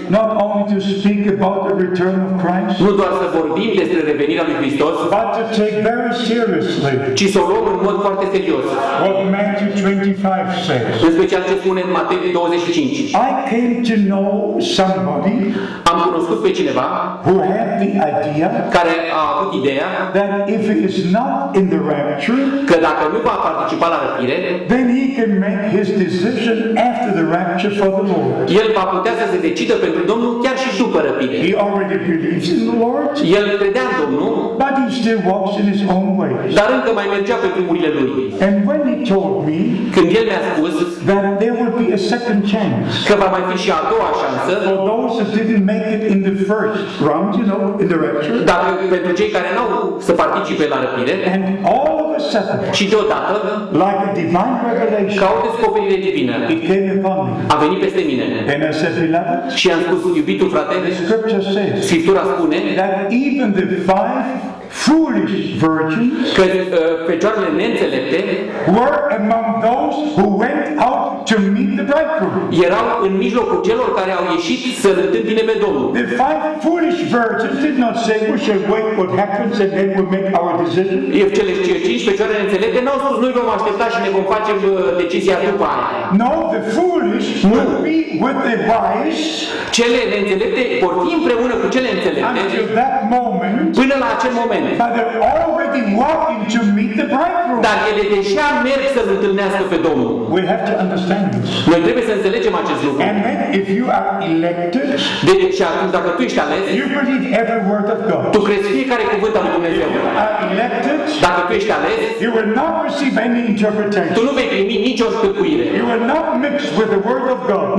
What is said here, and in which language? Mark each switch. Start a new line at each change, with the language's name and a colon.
English: Not only to speak about the return of Christ,
Romanian: nu doar să vorbim despre revenirea lui Hristos,
English: but to take very seriously,
Romanian: ci să o luăm în mod foarte serios.
English: What Matthew 25 says.
Romanian: În special ce spune în Matei 25.
English: I came to know somebody.
Romanian: Am cunoscut pe cineva
English: who had the idea,
Romanian: care a avut ideea,
English: that if he is not in the rapture,
Romanian: că dacă nu va participa la răpire,
English: then he can make his decision after the rapture for the Lord.
Romanian: El va putea să se decidă pentru Domnul chiar și după răpire.
English: He already believes in the Lord.
Romanian: El credea în Domnul.
English: But he still walks in his own ways.
Romanian: Dar încă mai mergea pe drumurile lui.
English: And when he told me,
Romanian: când el mi-a spus,
English: that there would be a second chance,
Romanian: că va mai fi și a doua șansă,
English: for those who didn't make it in the first round, you know, in the rapture.
Romanian: Dar pentru cei care n-au să participe la răpire.
English: And all of a sudden,
Romanian: și deodată,
English: like a divine revelation,
Romanian: ca o descoperire divină,
English: it came upon me.
Romanian: A venit peste mine.
English: And I said, beloved,
Romanian: și am spus, iubitul frate, Scriptura spune
English: that even the five foolish virgins,
Romanian: că fecioarele neînțelepte,
English: were among those who went out to meet the bridegroom.
Romanian: Erau în mijlocul celor care au ieșit să îl întâmpine pe Domnul.
English: The five foolish virgins did not say we shall wait what happens and then we'll make our decision.
Romanian: Cele cinci fecioare neînțelepte n-au spus noi vom aștepta și ne vom face decizia după aia.
English: No, the foolish will be with the wise.
Romanian: Cele neînțelepte vor fi împreună cu cele înțelepte.
English: Until that moment,
Romanian: până la acel moment.
English: But they're already walking to meet the bridegroom.
Romanian: Dar ele deja merg să-l întâlnească pe Domnul.
English: We have to understand this.
Romanian: Noi trebuie să înțelegem acest lucru.
English: And then, if you are elected,
Romanian: deci, atunci, dacă tu ești ales,
English: you believe every word of God.
Romanian: Tu crezi fiecare cuvânt al lui Dumnezeu.
English: If you are elected,
Romanian: dacă tu ești ales,
English: you will not receive any interpretation.
Romanian: Tu nu vei primi nicio stăpâire.
English: You will not mix with the word of God.